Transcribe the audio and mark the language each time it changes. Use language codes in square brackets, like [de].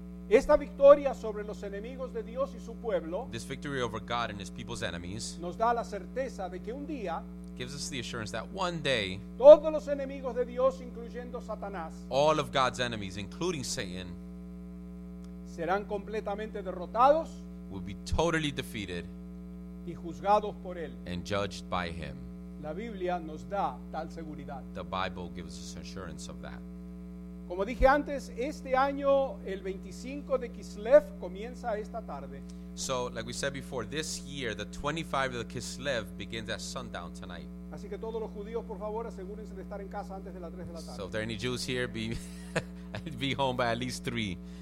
[es] Esta victoria sobre los enemigos de Dios y su pueblo. [en] This victory over God and his people's enemies. [es] Nos da la certeza de que un día. [en] Gives us the assurance that one day, [es] todos los enemigos de Dios, incluyendo Satanás, [en] all of God's enemies, including Satan, [es] serán completamente derrotados, [en] will be totally defeated, [es] y juzgados por él, [en] and judged by him. [es] La Biblia nos da tal seguridad. [en] The Bible gives us assurance of that. [es] Como dije antes, este año, el 25 de Kislev, comienza esta tarde. [en] So, like we said before, this year, the 25th of the Kislev begins at sundown tonight. [es] Así que todos los judíos, por favor, asegúrense de estar en casa antes de las 3 de la tarde. [en] So, if there are any Jews here, be home by at least 3.